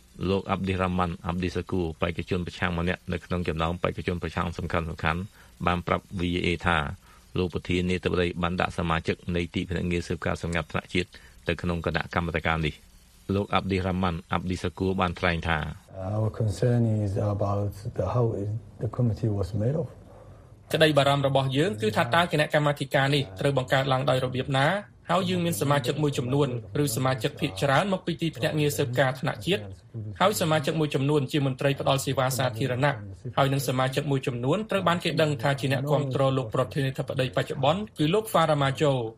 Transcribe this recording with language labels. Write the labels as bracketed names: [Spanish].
[Khmer] លោកអាប់ឌីរ៉ាម៉ាន់អាប់ឌីសាគូបេក្ខជនប្រឆាំងម្នាក់នៅក្នុងចំណោមបេក្ខជនប្រឆាំងសំខាន់ៗបានប្រាប់ VAA ថាលោកប្រធាននាយកសភាបានដាក់សមាជិកនៃទីភ្នាក់ងារស៊ើបការណ៍សម្ងាត់ថ្នាក់ជាតិទៅក្នុងគណៈកម្មការនេះលោកអាប់ឌីរ៉ាម៉ាន់អាប់ឌីសាគូបានថ្លែងថា [English] Our concern is about the how the committee was made of [Khmer] ក្តីបារម្ភរបស់យើងគឺថាតើគណៈកម្មាធិការនេះត្រូវបង្កើតឡើងដោយរបៀបណាហើយយើងមានសមាជិកមួយចំនួនឬសមាជិកភាគច្រើនមកពីទីភ្នាក់ងារស៊ើបការណ៍ថ្នាក់ជាតិហើយសមាជិកមួយចំនួនជាមន្ត្រីផ្ដល់សេវាសាធារណៈហើយនឹងសមាជិកមួយចំនួនត្រូវបានគេដឹងថាជាអ្នកគ្រប់គ្រងលោកប្រធានាធិបតីបច្ចុប្បន្នគឺលោកហ្វារ៉ាម៉ាជូ